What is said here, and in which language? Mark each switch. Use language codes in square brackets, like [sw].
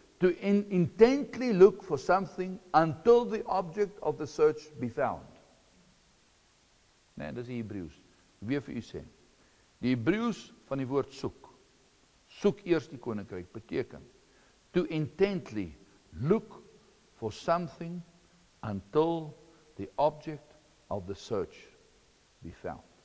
[en] To intently look for something until the object of the search be found. [af] Nee, dit is die Hebreeus. Weer vir u sê. Die Hebreeus van die woord soek. Soek eerst die koninkryk beteken. [en] To intently look for something until the object of the search be found.